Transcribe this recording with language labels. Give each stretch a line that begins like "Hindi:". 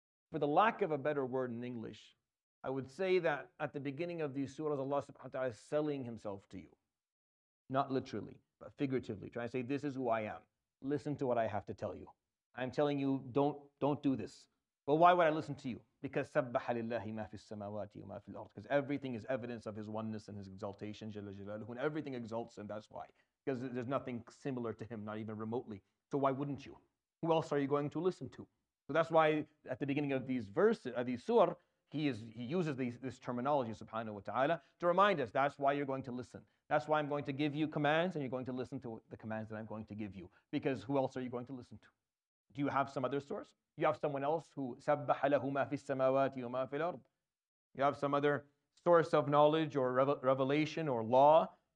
English: For the lack of a better word in English, I would say that at the beginning of these surahs, Allah subhanahu wa ta'ala is selling Himself to you. Not literally, but figuratively. Trying to say, this is who I am. Listen to what I have to tell you. I'm telling you, don't do this. Well, why would I listen to you? Because
Arabic: سَبَّحَ لِلَّهِ مَا فِي السَّمَاوَاتِ وَمَا فِي الْأَرْضِ.
English: Because everything is evidence of His oneness and His exaltation,
Arabic: جَلَّ جَلَالُهُ.
English: And everything exalts, and that's why. Because there's nothing similar to Him, not even remotely. So why wouldn't you? Who else are you going to listen to? So that's why at the beginning of these verses, of these surah, he uses this terminology, subhanahu wa ta'ala, to remind us, that's why you're going to listen. That's why I'm going to give you commands, and you're going to listen to the commands that I'm going to give you. Because who else are you going to listen to? Do you have some other source? You have someone else who
Arabic: سَبَّحَ لَهُ مَا فِي السَّمَاوَاتِ وَمَا فِي الْأَرْضِ.
English: You have some other source of knowledge or revelation or law.